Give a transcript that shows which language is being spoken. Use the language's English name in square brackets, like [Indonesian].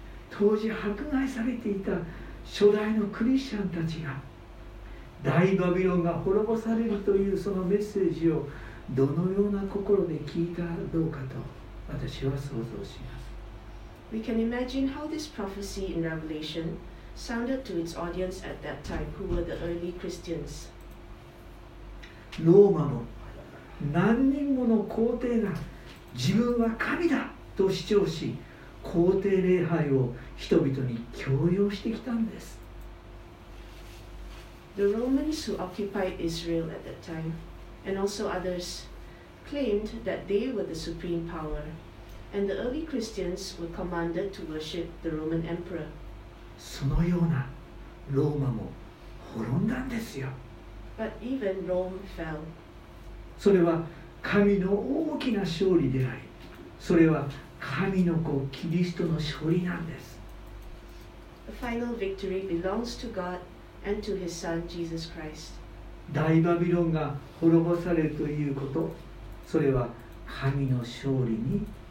[Japanese] 当時迫害されていた初代のクリスチャンたちが大バビロンが滅ぼされるというそのメッセージをどのような心で聞いたどうかと私は想像します。 [English] We can imagine how this prophecy in Revelation sounded to its audience at that time, who were the early Christians. [Japanese] ローマの何人もの皇帝が自分は神だと主張し、皇帝礼拝を人々に強要してきたんです。 [English] The Romans who occupied Israel at that time, and also others, claimed that they were the supreme power. And the early Christians were commanded to worship the Roman Emperor. [Japanese] そのようなローマも滅んだんですよ。 [English] But even Rome fell. [Japanese] それは神の大きな勝利であり、それは神の子キリストの勝利なんです。 [English] The final victory belongs to God and to His Son Jesus Christ. [Japanese] 大バビロンが滅ぼされるということ、それは神の勝利に。